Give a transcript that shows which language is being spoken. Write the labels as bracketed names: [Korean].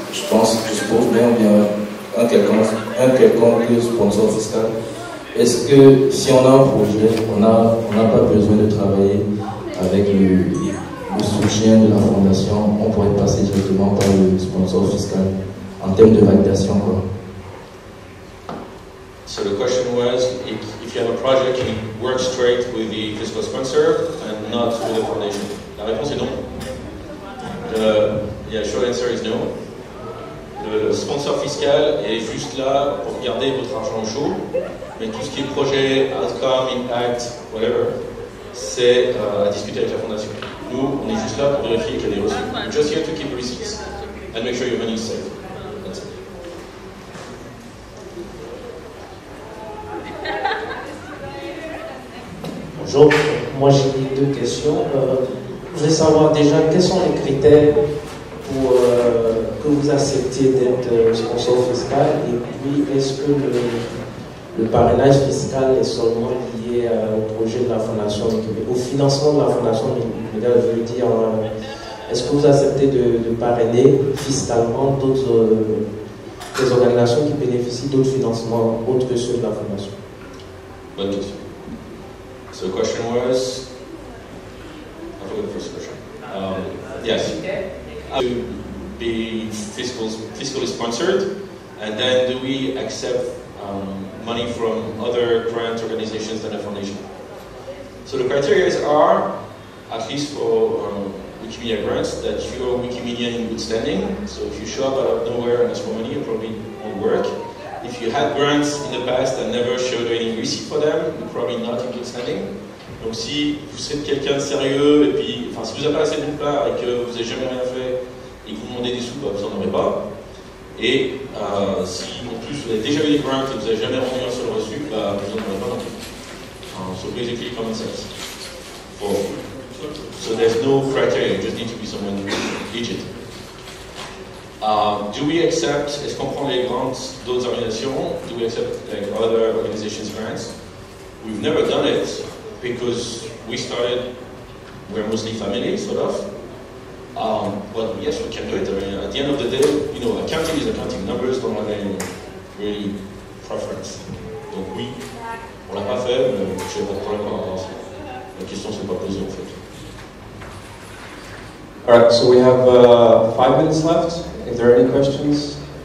[French] Je pense, je suppose, mais on vient un quelconque sponsor fiscal. Est-ce que si on a un projet, on n'a pas besoin de travailler avec le soutien de la fondation, on pourrait passer directement par le sponsor fiscal en termes de validation, quoi. [English] So the question was, if you have a project, you work straight with the fiscal sponsor and not with the foundation. [French] La réponse est non. [English] Short answer is no. [French] Le sponsor fiscal est juste là pour garder votre argent au chaud. Mais tout ce qui est projet, [English] outcome, impact, whatever, [French] c'est à discuter avec la fondation. Nous, on est juste là pour vérifier qu'il y a des reçus. [English] We're just here to keep receipts and make sure your money is safe. That's it. [French] Bonjour, moi j'ai 2 questions. Je voudrais savoir déjà quels sont les critères pour que vous acceptiez d'être sponsor fiscal et puis est-ce que le parrainage fiscal est seulement lié au projet de la Fondation, au financement de la Fondation. Je veux dire, est-ce que vous acceptez de parrainer fiscalement d'autres organisations qui bénéficient d'autres financements autres que ceux de la Fondation? Bonne question. [English] So the question was, I forgot the first question. Yes. To be fiscally sponsored, and then do we accept money from other grant organizations than a foundation. So the criteria are, at least for Wikimedia grants, that you are Wikimedian in good standing. So if you show up out of nowhere and ask for money, it probably won't work. If you had grants in the past and never showed any receipt for them, you're probably not in good standing. [French] Donc si vous êtes quelqu'un de sérieux, et puis, enfin, si vous n'avez pas assez de part et que vous n'avez jamais rien fait, et que vous demandez des sous, bah, vous n'en aurez pas. Et si en plus vous avez déjà eu des grants et que vous n'avez jamais rendu un seul reçu, bah, vous n'en aurez pas non plus. [English] So basically common sense. So there's no criteria, you just need to be someone legit. Do we accept, [French] est-ce qu'on prend les grants d'autres organisations? [English] Do we accept like, other organizations' grants? We've never done it because we started, we're mostly family, sort of. But yes, we can do it. I mean, at the end of the day, you know, accounting is accounting. Numbers don't have any really preference. [French] Donc oui, on l'a pas fait, mais je n'ai pas de problème à avancer. La question s'est pas posée en fait. [English] Alright, so we have 5 minutes left. Is there any questions?